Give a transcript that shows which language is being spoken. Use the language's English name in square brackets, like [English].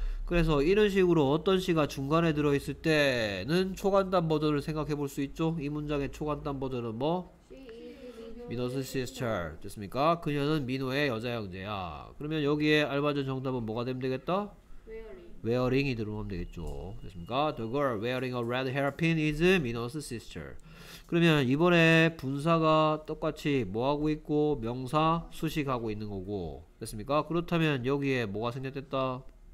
[Korean] 그래서 이런 식으로 어떤 시가 중간에 들어있을 때는 초간단 버전을 생각해 볼수 있죠. 이 문장의 초간단 버전은 뭐? [English] Minos' sister. [Korean] 됐습니까? 그녀는 민호의 여자 형제야. 그러면 여기에 알맞은 정답은 뭐가 되면 되겠다? wearing이 들어오면 되겠죠. 됐습니까? [English] The girl wearing a red hairpin is Minos' sister. [Korean] 그러면 이번에 분사가 똑같이 뭐하고 있고 명사 수식하고 있는 거고. 됐습니까? 그렇다면 여기에 뭐가 생겼댔다?